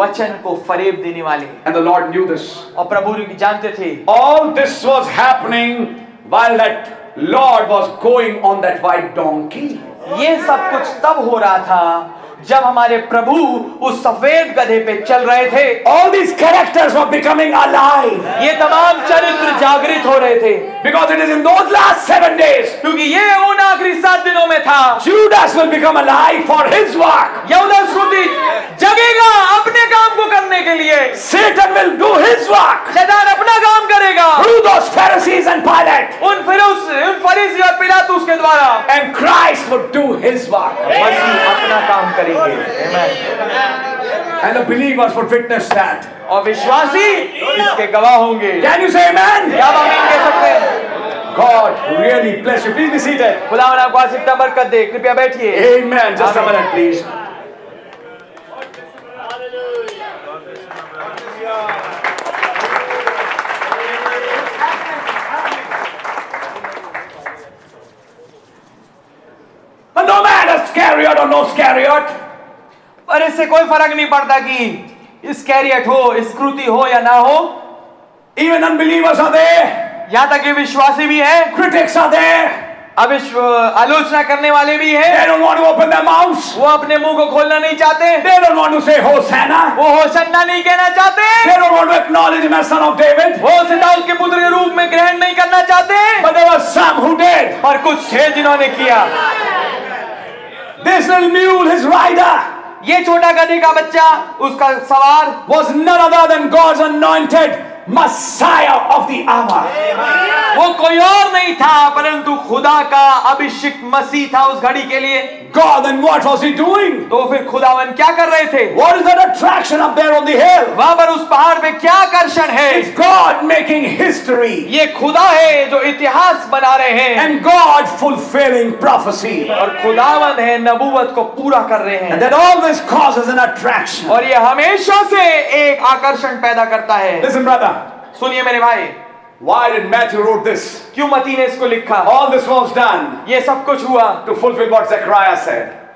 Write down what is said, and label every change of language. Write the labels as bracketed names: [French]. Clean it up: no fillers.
[Hindi] वचन को फरेब देने वाले. [English] And the Lord knew this. [Hindi] और प्रभु जानते थे. [English] All this was happening while that Lord was going on that white donkey. [Hindi] ये सब कुछ तब हो रहा था जब हमारे प्रभु उस सफेद गधे पे चल रहे थे. [English] All these characters were becoming alive. [Hindi] ये तमाम चरित्र जागृत हो रहे थे. [English] Because it is in those last 7 days. [Hindi] क्योंकि ये उन आखिरी 7 दिनों में था. [English] Judas will become alive for his work. [Hindi] यहूदा श्रुति जगेगा अपने काम को करने के लिए. [English] Satan will do his work. [Hindi] शैतान अपना काम करेगा. [English] Through those Pharisees and Pilate. [Hindi] उन फरीसी और पिलातुस के द्वारा. [English] And Christ will do his work. [Hindi] मसीह अपना काम करेंगे. Amen. [English] And the believers would witness that. [Hindi] और विश्वासी इसके गवाह होंगे. [English] Can you say amen? [Hindi] क्या आप आमीन कह सकते हैं? [English] God really bless you. Please be seated. [Hindi] खुदा ने आपको आशीष तथा बरकत दे. कृपया बैठिए. [English] Amen. Just a minute, please. But no matter scariot or no scariot. [Hindi] पर इससे कोई फर्क नहीं पड़ता कि इस्कैरियोट हो, स्क्रूति हो या ना हो. [English] Even unbelievers are there. [Hindi] यहां तक कि विश्वासी भी है. [English] Critics are there. [Hindi] अविश्व आलोचना करने वाले भी हैं. [English] They don't want to open their mouths. [Hindi] वो अपने मुंह को खोलना नहीं चाहते. [English] They don't want to say Hosanna. [Hindi] वो होशन्ना नहीं कहना चाहते. [English] They don't want to acknowledge him as son of David. [Hindi] वो उसे दाऊद के पुत्र के रूप में ग्रहण नहीं करना चाहते. [English] But there were some who did. [Hindi] पर कुछ थे जिन्होंने किया. [English] This little mule, his rider. [Hindi] ये छोटा गधे का बच्चा, उसका सवार. [English] Was none other than God's anointed Messiah of the hour. [Hindi] वो कोई और नहीं था परंतु खुदा का अभिषिक्त मसीह था उस घड़ी के लिए. [English] God, and what was he doing? [Hindi] तो फिर खुदावन क्या कर रहे थे? [English] What is that attraction up there on the hill? [Hindi] वहाँ पर उस पहाड़ पे क्या आकर्षण है? [English] It's God making history. [Hindi] ये खुदा है जो इतिहास बना रहे हैं. [English] And God fulfilling prophecy. [Hindi] और खुदावन है नबुवत को पूरा कर रहे हैं. [English] And that always causes an attraction. [Hindi] और ये हमेशा से एक आकर्षण पैदा करता है. [English] Listen, brother. [Hindi] सुनिए मेरे भाई. [English] Why did Matthew wrote this? [Hindi] क्यों मती ने इसको लिखा? [English] All this was done. [Hindi] ये सब कुछ हुआ. [English] To fulfill what Zechariah said.